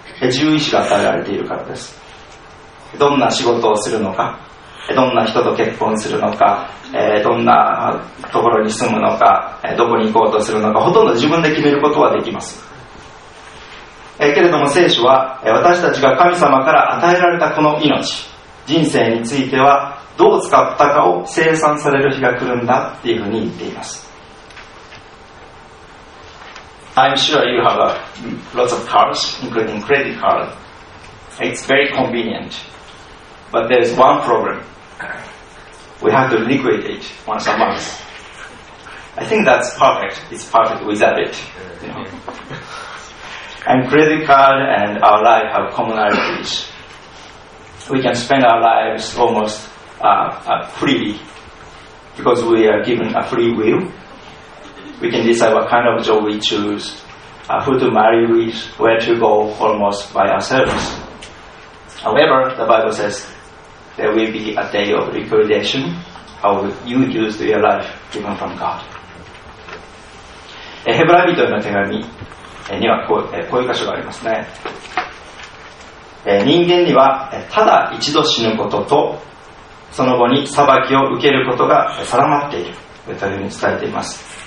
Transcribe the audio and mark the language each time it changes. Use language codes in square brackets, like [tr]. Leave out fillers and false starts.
[ja] 自由意志が与えられているからです。どんな仕事をするのか、どんな人と結婚するのか、どんなところに住むのか、どこに行こうとするのか、ほとんど自分で決めることはできます。けれども聖書は私たちが神様から与えられたこの命、人生についてはどう使ったかを清算される日が来るんだっていうふうに言っています。 [en] I'm sure you have lots of cards, including credit card. It's very convenient. But there's one problem. We have to liquidate once a month. I think that's perfect. It's perfect without it. And credit card and our life have commonalities. We can spend our lives almost freely because we are given a free will. We can decide what kind of job we choose, who to marry with, where to go, almost by ourselves. However, the Bible says there will be a day of liquidation, how you use your life given from God. [ja] ヘブライ人への手紙にはこういう箇所がありますね。人間にはただ一度死ぬことと、その後に裁きを受けることが定まっているというふうに伝えています。